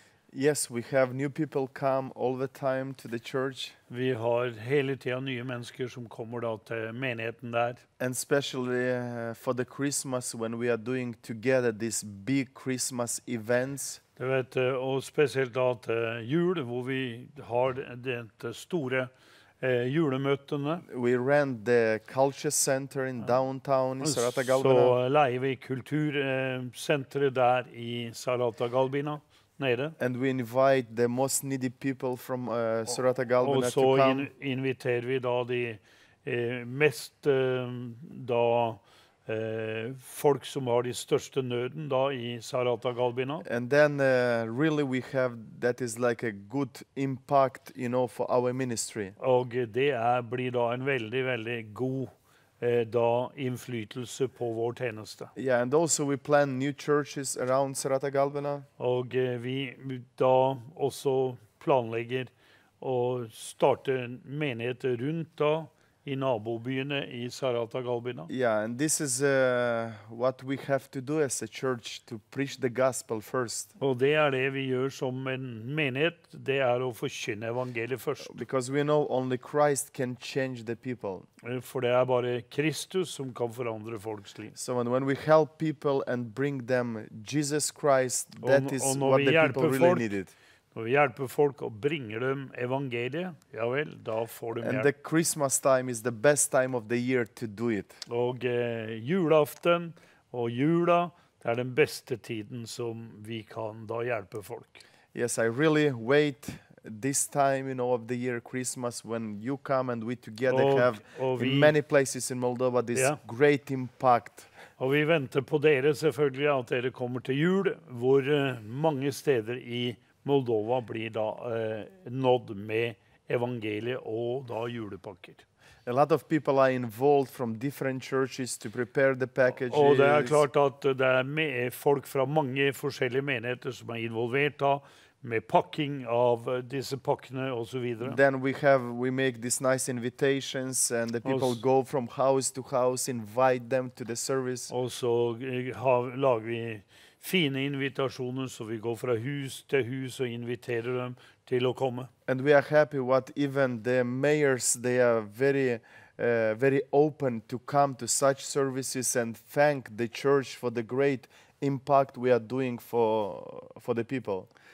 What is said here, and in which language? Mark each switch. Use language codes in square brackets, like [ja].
[en] Yes, we have new people come all the time to the church. [no] Vi har hele tiden nye mennesker som kommer da til menigheten der. [en] And especially for the Christmas when we are doing together these big Christmas events. [no] Du vet, og spesielt da til jul, hvor vi har det store julemøtene. [en] We rent the culture center in downtown Sarate Galbina. [no] Så leier vi kultursenteret der I Sarate Galbina nede. [en] And we invite the most needy people from Sarate Galbina to come. [no] Og så inviterer vi da de mest da folk som har de største nøden da I Sarate Galbina. [en] And then really we have that is like a good impact, you know, for our ministry. [no] Og det blir da en veldig, veldig god da innflytelse på vår tjeneste. [en] Yeah, and also we plan new churches around Sarate Galbina. [no] Og vi da også planlegger å starte en menighet rundt da I nabobyene I Sarate Galbina. [en] Yeah, and this is what we have to do as a church, to preach the gospel first. [no] Og det det vi gjør som en menighet, det å forkynne evangeliet først. [en] Because we know only Christ can change the people. [no] For det bare Kristus som kan forandre folks liv. [en] So when we help people and bring them Jesus Christ, that is what the people [no] folk, [en] really needed. [no] Når vi hjelper folk og bringer dem evangeliet, ja vel, da får de hjelp. [en] And the Christmas time is the best time of the year to do it. [no] Og julaften og jula, det den beste tiden som vi kan da hjelpe folk. [en] Yes, I really wait this time, you know, of the year, Christmas, when you come and we together have in many places in Moldova this great impact. [no] Og vi venter på dere selvfølgelig at dere kommer til jul, hvor mange steder I Moldova blir da nådd med evangeliet og da julepakker. [en] A lot of people are involved from different churches to prepare the packages. [no] Og det klart at det folk fra mange forskjellige menigheter som involvert da med packing av disse pakkene og så videre. [en] Then we make these nice invitations and the people go from house to house, invite them to the service. [no] Og så lager vi fine invitasjoner, så vi går fra hus til hus og inviterer dem til å komme. [en] And we are happy what even the mayors, they are very very open to come to such services and thank the church for the great impact we are doing for the people.